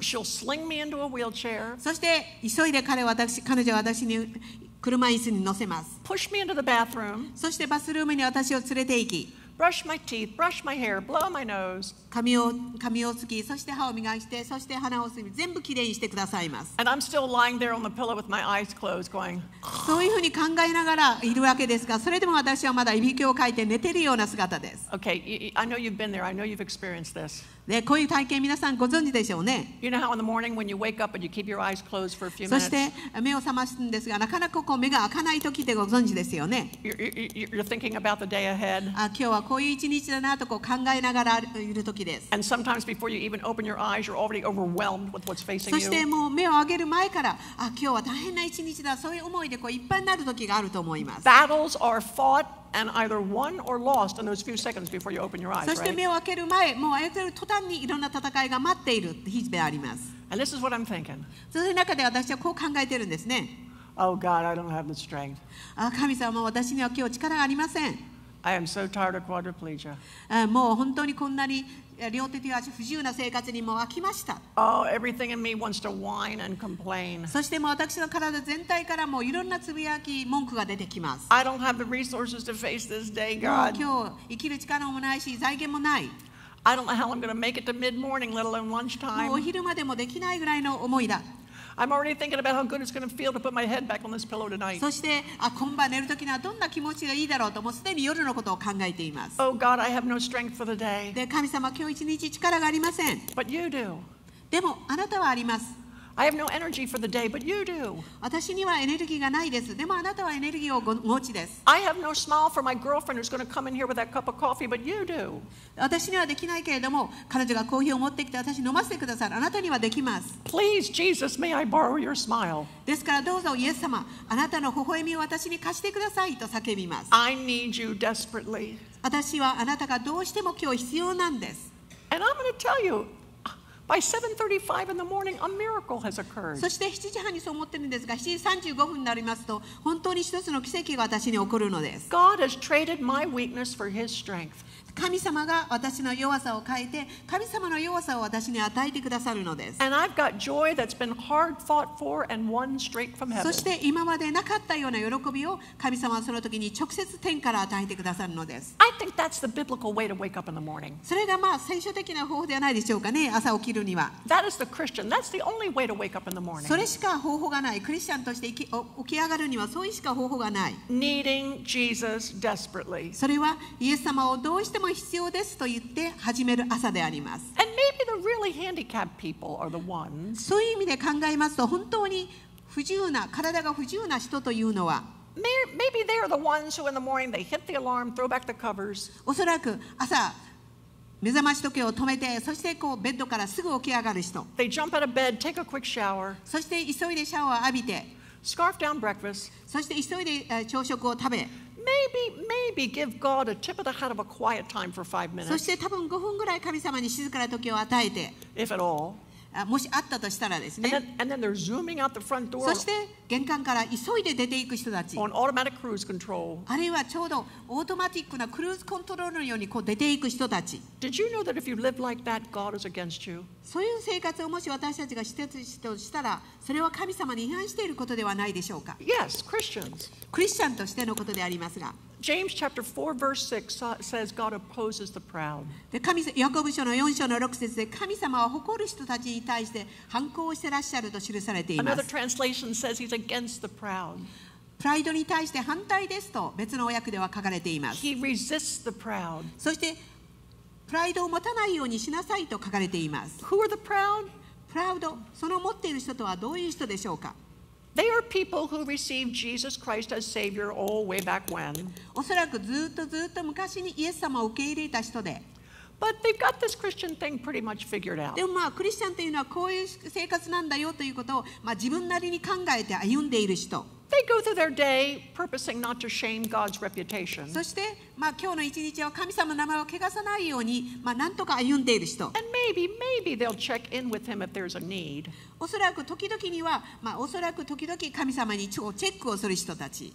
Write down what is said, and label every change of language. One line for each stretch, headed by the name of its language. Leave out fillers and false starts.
English: She'll sling me into a wheelchair.
Japanese: そして急いで彼女は私に車椅子に乗せます。
English: Push me into the bathroom.
Japanese: そしてバスルームに私を連れて行き。
English: Brush my teeth, brush my hair, blow my nose.
Japanese: 髪をつき、そして歯を磨いて、そして鼻をすみ、全部きれいにしてくださいます。
English: And I'm still lying there on the pillow with my eyes closed, going.
Japanese: そういうふうに考えながらいるわけですが、それでも私はまだいびきをかいて寝てるような姿です。
English: Okay, I know you've been there. I know you've experienced this.
Japanese: でこういう体験皆さんご存知でしょうね。
English: You know how in the morning when you wake up and you keep your eyes closed for a few minutes.
Japanese: そして目を覚ますんですがなかなかこう目が開かない時ってご存知ですよね。
English: You're thinking about the day ahead.
Japanese: 今日はこういう一日だなとこう考えながらいる時です。
English: And sometimes before you even open your eyes, you're already overwhelmed with what's facing you.
Japanese: そしてもう目を上げる前から今日は大変な一日だそういう思いでこういっぱいになる時があると思います。
English: Battles are fought. And either won or lost in those few seconds before you open your eyes.
Japanese: そして目を開ける前、もう開ける途端にいろんな戦いが待っている日々であります。
English: And this is what I'm thinking.
Japanese: そういう中で私はこう考えているんですね。
English: Oh God, I don't have the strength.
Japanese: 神様、私には今日力がありません。
English: I am so tired of quadriplegia.
Japanese: もう本当にこんなに両手と足不自由な生活にもう飽きました。
English: Oh, everything in me wants to whine and complain.
Japanese: そしてもう私の体全体からもういろんなつぶやき文句が出てきます。
English: I don't have the resources to face this day, God.
Japanese: 今日生きる力もないし財源もない。
English: I don't know how I'm going to make it to mid-morning, let alone lunchtime.
Japanese: もうお昼までもできないぐらいの思いだ。
English: I'm already thinking about how good it's going to feel to put my head back on this pillow tonight.
Japanese: そして、今晩寝るときにはどんな気持ちがいいだろうと、もうすでに夜のことを考えています。
English: Oh God, I have no strength for the day.
Japanese: で、神様、今日一日力がありません。
English: But you do.
Japanese: でも、あなたはあります。
English: I have no energy for the day, but you do.
Japanese: 私にはエネルギーがないです。でもあなたはエネルギーをお持ちです。
English: I have no smile for my girlfriend who's going to come in here with that cup of coffee, but you do.
Japanese: 私にはできないけれども、彼女がコーヒーを持ってきて私に飲ませてください。あなたにはできます。
English: Please, Jesus, may I borrow your smile?
Japanese: ですからどうぞイエス様、あなたの微笑みを私に貸してくださいと叫びます。
English: I need you desperately.
Japanese: 私はあなたがどうしても今日必要なんです。
English: And I'm going to tell you. By 7:35 in the morning, a miracle has occurred.
Japanese: そして7時半にそう思ってるんですが、7時35分になりますと、本当に一つの奇跡が私に起こるのです。
English: God has traded my weakness for His strength.
Japanese: 神様が私の弱さを変えて、神様の弱さを私に与えてくださるのです。
English: And I've got joy that's been hard fought for and won straight from heaven.
Japanese: そして今までなかったような喜びを神様はその時に直接天から与えてくださるのです。
English: I think that's the biblical way to wake up in the morning.
Japanese: それがまあ聖書的な方法ではないでしょうかね、朝起きるには。
English: That is the Christian. That's the only way to wake up in the morning.
Japanese: それしか方法がない。クリスチャンとして起き上がるにはそういうしか方法がない。
English: Needing Jesus desperately.
Japanese: それはイエス様をどうしても必要ですと言って始める朝であります。
English: And maybe the really handicapped people are the ones.
Japanese: そういう意味で考えますと、本当に不自由な体が不自由な人というのは、
English: maybe they are the ones who in the morning they hit the alarm, throw back the covers.
Japanese: おそらく朝目覚まし時計を止めて、そしてこうベッドからすぐ起き上がる人。
English: They jump out of bed, take a quick shower.
Japanese: そして急いでシャワーを浴びて、
English: scarf down breakfast.
Japanese: そして急いで朝食を食べ。
English: Maybe give God a tip of the hat of a quiet time for 5 minutes.
Japanese: そして多分5分ぐらい神様に静かな時を与えて。
English: If at all.
Japanese: もしあったとしたらですね。
English: And then they're zooming out the front door.
Japanese: そして玄関から急いで出ていく人たち。
English: On automatic cruise control.
Japanese: あるいはちょうどオートマティックなクルーズコントロールのようにこう出ていく人たち。
English: Did you know that if you live like that, God is against you?
Japanese: そういう生活をもし私たちがしているとしたら、それは神様に違反していることではないでしょうか。
English: Yes, Christians.
Japanese: クリスチャンとしてのことでありますが。
English: James chapter 4 verse 6 says God opposes the proud.
Japanese: で、神様、ヤコブ書の4章の6節で神様は誇る人たちに対して反抗してらっしゃると記されています。
English: Another translation says he's against the proud.
Japanese: プライドに対して反対ですと別の訳では書かれています。
English: He resists the proud.
Japanese: そしてプライドを持たないようにしなさいと書かれています。
English: Who are the proud?
Japanese: プライド、その持っている人とはどういう人でしょうか。
English: They are people who received Jesus Christ as Savior all way back when.
Japanese: おそらくずっとずっと昔にイエス様を受け入れた人で。
English: But they've got this Christian thing pretty much figured out.
Japanese: でもまあクリスチャンというのはこういう生活なんだよということを、まあ、自分なりに考えて歩んでいる人。
English: They go through their day purposing not to shame God's reputation.
Japanese: そして、まあ、今日の一日は神様の名前を汚さないように、まあ、なんとか歩んでいる人。
English: And maybe they'll check in with him if there's a need.
Japanese: おそらく時々には、まあ、おそらく時々神様にチェックをする人たち。